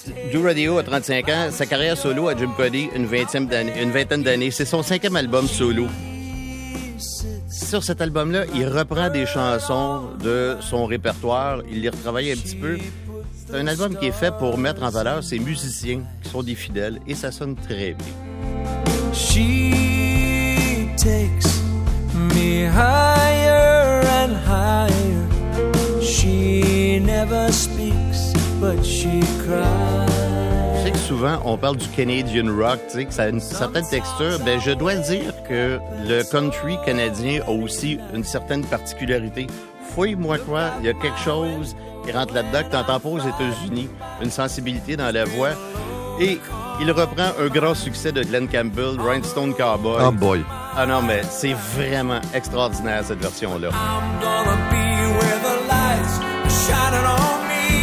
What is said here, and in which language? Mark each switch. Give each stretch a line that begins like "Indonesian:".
French: Blue Radio a 35 ans. Sa carrière solo à Jim Cuddy, une vingtaine d'années. C'est son cinquième album solo. Sur cet album-là, il reprend des chansons de son répertoire. Il les retravaille un petit peu. C'est un album qui est fait pour mettre en valeur ses musiciens qui sont des fidèles. Et ça sonne très bien.
English: She takes me higher and higher. She never speaks, but she cries.
French: Je sais que souvent, on parle du Canadian rock, tu sais, que ça a une certaine texture. Ben, je dois dire que le country canadien a aussi une certaine particularité. Fouille-moi quoi, il y a quelque chose qui rentre là-dedans que t'entends pas aux États-Unis. Une sensibilité dans la voix. Et il reprend un grand succès de Glen Campbell, Rhinestone Cowboy.
English: Oh boy.
French: Ah non, mais c'est vraiment extraordinaire, cette version-là.
English: I'm gonna be where the lights are shining on me.